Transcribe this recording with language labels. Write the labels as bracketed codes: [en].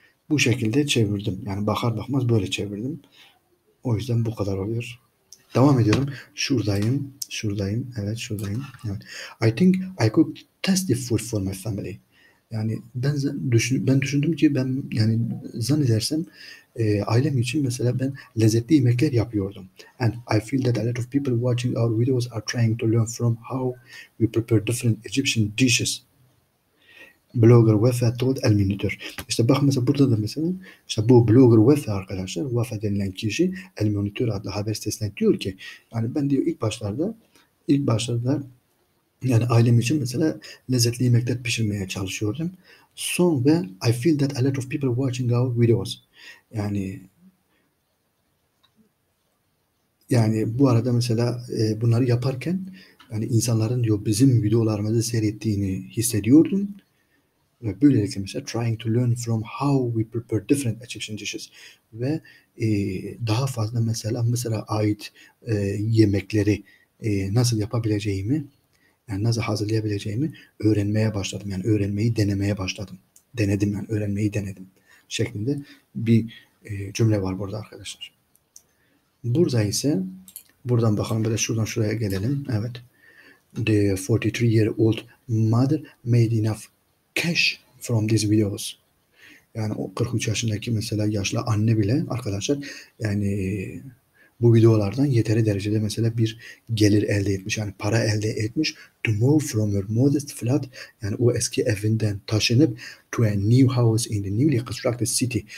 [tr] Bu şekilde çevirdim. Yani bakar bakmaz böyle çevirdim. O yüzden bu kadar oluyor. Devam ediyorum. Şuradayım. Evet, şuradayım. Evet. [en] I think I could test the food for my family. [tr] Yani ben düşündüm ki ben yani zannedersem ailem için mesela ben lezzetli yemekler yapıyordum. [en] And I feel that a lot of people watching our videos are trying to learn from how we prepare different Egyptian dishes. [tr] Blogger Wefa Tuğut El-Monitör. İşte bak mesela burada da mesela işte bu blogger Wefa arkadaşlar, Wefa denilen kişi El-Monitör adlı haber sitesine diyor ki yani ben diyor ilk başlarda yani ailem için mesela lezzetli yemekler pişirmeye çalışıyordum. Son ve [en] I feel that a lot of people watching our videos. [tr] Yani bu arada mesela bunları yaparken yani insanların diyor bizim videolarımızı seyrettiğini hissediyordum. Ve böylelikle mesela [en] trying to learn from how we prepare different Egyptian dishes. [tr] Ve daha fazla mesela Mısır'a ait yemekleri nasıl yapabileceğimi yani nasıl hazırlayabileceğimi öğrenmeye başladım. Yani öğrenmeyi denemeye başladım. Denedim yani öğrenmeyi denedim şeklinde bir cümle var burada arkadaşlar. Burada ise buradan bakalım böyle şuradan şuraya gelelim. Evet. [en] The 43 year old mother made enough cash from these videos. [tr] Yani o 43 yaşındaki mesela yaşlı anne bile arkadaşlar yani bu videolardan yeteri derecede mesela bir gelir elde etmiş. Yani para elde etmiş. [en] To move from her modest flat [tr] yani o eski evinden taşınıp [en] to a new house in the newly constructed city.